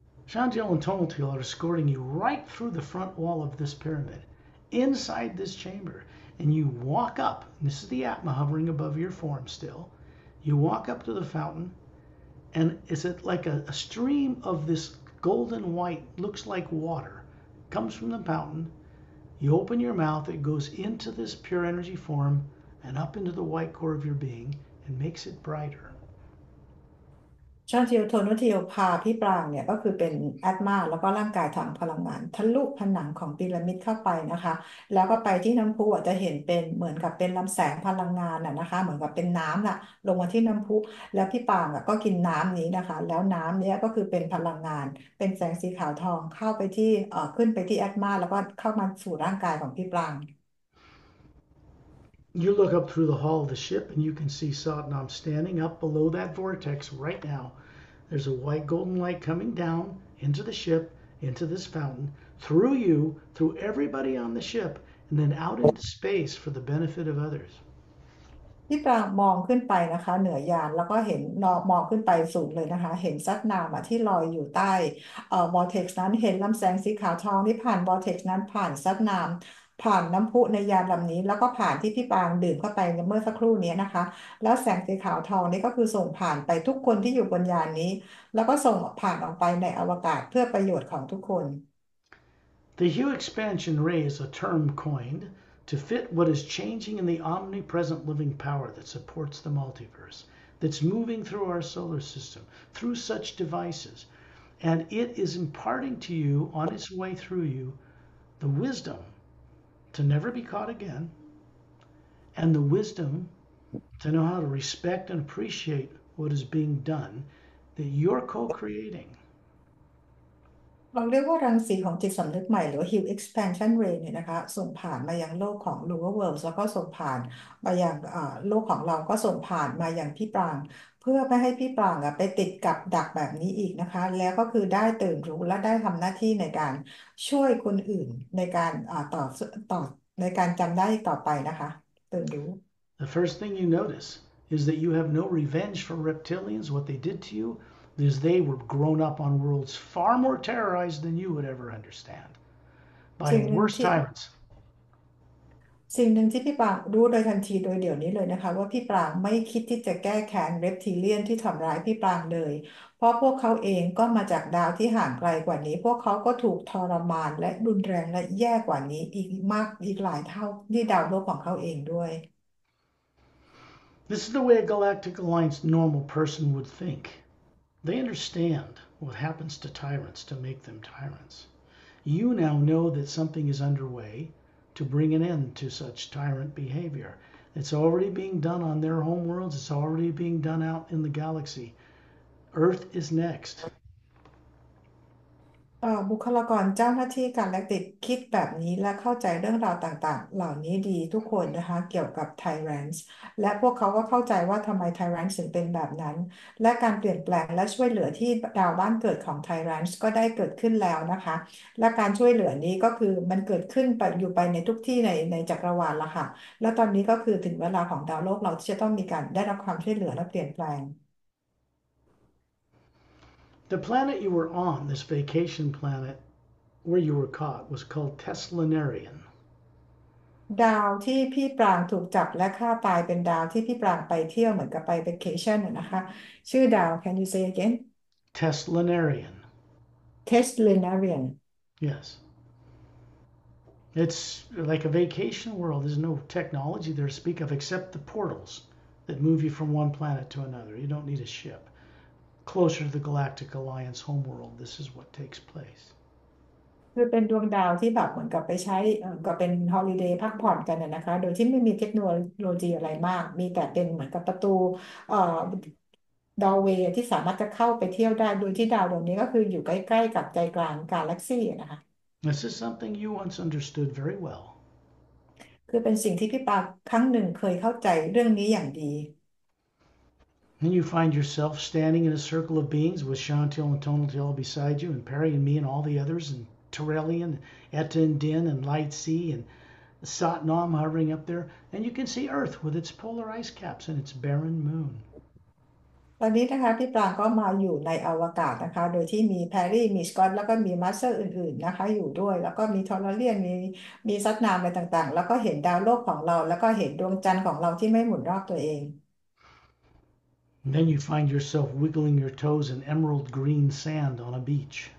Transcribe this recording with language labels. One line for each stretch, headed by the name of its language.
English: Shanjiao and Tongtil are escorting you right through the front wall of this pyramid, inside this chamber, and you walk up. And this is the Atma hovering above your form still. You walk up to the fountain, and is it like a stream of this golden white, looks like water, comes from the fountain. You open your mouth, it goes into this pure energy form, and up into the white core of your being, and makes it brighter.
Thai: ชานเทียวโทนุเทียวพาพี่ปรางเนี่ยก็คือเป็นแอตมาแล้วก็ร่างกายถังพลังงานทะลุผนังของพีระมิดเข้าไปนะคะแล้วก็ไปที่น้ำพุอาจจะเห็นเป็นเหมือนกับเป็นลำแสงพลังงานน่ะนะคะเหมือนกับเป็นน้ำน่ะลงมาที่น้ำพุแล้วพี่ปรางอ่ะก็กินน้ำนี้นะคะแล้วน้ำเนี้ยก็คือเป็นพลังงานเป็นแสงสีขาวทองเข้าไปที่ขึ้นไปที่แอตมาแล้วก็เข้ามาสู่ร่างกายของพี่ปราง
English: You look up through the hull of the ship and you can see Sat Nam standing up below that vortex right now. There's a white golden light coming down into the ship, into this fountain, through you, through everybody on the ship, and then out into space for the benefit of others.
Thai: พี่ปรางมองขึ้นไปนะคะเหนือยานแล้วก็เห็นนอมองขึ้นไปสูงเลยนะคะเห็นสัตนามที่ลอยอยู่ใต้วอร์เท็กซ์นั้นเห็นลำแสงสีขาวทองที่ผ่านวอร์เท็กซ์นั้นผ่านสัตนามผ่านน้ำพุในยานลำนี้แล้วก็ผ่านที่พี่ปรางดื่มเข้าไปเมื่อสักครู่นี้นะคะแล้วแสงสีขาวทองนี้ก็คือส่งผ่านไปทุกคนที่อยู่บนยานนี้แล้วก็ส่งผ่านออกไปในอวกาศเพื่อประโยชน์ของทุกคน
English: The hue expansion ray is a term coined to fit what is changing in the omnipresent living power that supports the multiverse, that's moving through our solar system, through such devices. And it is imparting to you, on its way through you, the wisdom to never be caught again, and the wisdom to know how to respect and appreciate what is being done that you're co-creating.
Thai: เราเรียกว่ารังสีของจิตสำนึกใหม่หรือ Hue Expansion Ray เนี่ยนะคะส่งผ่านมายังโลกของ Lower Worlds แล้วก็ส่งผ่านมายังโลกของเราก็ส่งผ่านมายังพี่ปรางเพื่อไม่ให้พี่ปรางไปติดกับดักแบบนี้อีกนะคะแล้วก็คือได้ตื่นรู้และได้ทำหน้าที่ในการช่วยคนอื่นในการต่อในการจำได้ต่อไปนะคะตื่นรู้
English: The first thing you notice is that you have no revenge for reptilians what they did to you as they were grown up on worlds far more terrorized than you would ever understand by worse tyrants.
Thai: สิ่งหนึ่งที่พี่ปรางรู้โดยทันทีโดยเดี๋ยวนี้เลยนะคะว่าพี่ปรางไม่คิดที่จะแก้แค้นเรปทีเลียนที่ทำร้ายพี่ปรางเลยเพราะพวกเขาเองก็มาจากดาวที่ห่างไกลกว่านี้พวกเขาก็ถูกทรมานและรุนแรงและแย่กว่านี้อีกมากอีกหลายเท่าที่ดาวโลกของเขาเองด้วย
English: This is the way a Galactic Alliance normal person would think. They understand what happens to tyrants to make them tyrants. You now know that something is underway to bring an end to such tyrant behavior. It's already being done on their home worlds. It's already being done out in the galaxy. Earth is next.
Thai: บุคลากรเจ้าหน้าที่การแลกติกคิดแบบนี้และเข้าใจเรื่องราวต่างๆเหล่านี้ดีทุกคนนะคะเกี่ยวกับไทแรนส์และพวกเขาก็เข้าใจว่าทำไมไทแรนส์ถึงเป็นแบบนั้นและการเปลี่ยนแปลงและช่วยเหลือที่ดาวบ้านเกิดของไทแรนส์ก็ได้เกิดขึ้นแล้วนะคะและการช่วยเหลือนี้ก็คือมันเกิดขึ้นไปอยู่ไปในทุกที่ในจักรวาลละค่ะและตอนนี้ก็คือถึงเวลาของดาวโลกเราที่จะต้องมีการได้รับความช่วยเหลือและเปลี่ยนแปลง
English: The planet you were on, this vacation planet where you were caught, was called Teslanarian.
Thai: ดาวที่พี่ปรางถูกจับและฆ่าตายเป็นดาวที่พี่ปรางไปเที่ยวเหมือนกับไปเวเคชั่นนะคะชื่อดาว
English: Can you say again Teslinarian. Teslinarian Yes. It's like a vacation world. There's no technology there to speak of except the portals that move you from one planet to another. You don't need a ship. Closer to the Galactic Alliance homeworld, this is what takes place.
Thai: คือเป็นดวงดาวที่แบบเหมือนกับไปใช้ก็เป็นฮอลิเดย์พักผ่อนกันนะคะโดยที่ไม่มีเทคโนโลยีอะไรมากมีแต่เป็นเหมือนกับประตูดาวเวย์ที่สามารถจะเข้าไปเที่ยวได้โดยที่ดาวดวงนี้ก็คืออยู่ใกล้ๆกับใจกลางกาแล็กซี่นะคะ
English: This is something you once understood very well.
Thai: คือเป็นสิ่งที่พี่ปาครั้งหนึ่งเคยเข้าใจเรื่องนี้อย่างดี
English: And you find yourself standing in a circle of beings with Chantil and Tonaltil beside you, and Perry and me and all the others, and Torellian, Etta and Din, and Lightsea, and Sat Nam hovering up there. And you can see Earth with its polar ice caps and its barren moon.
Thai: ตอนนี้นะคะพี่ปรางก็มาอยู่ในอวกาศนะคะโดยที่มีแพรรี่มีสกอตแล้วก็มีมาสเตอร์อื่นๆนะคะอยู่ด้วยแล้วก็มีทอร์เรียนมีซัดนามอะไรต่างๆแล้วก็เห็นดาวโลกของเราแล้วก็เห็นดวงจันทร์ของเราที่ไม่หมุนรอบตัวเอง
English: And then you find yourself wiggling your toes in emerald green sand on a beach.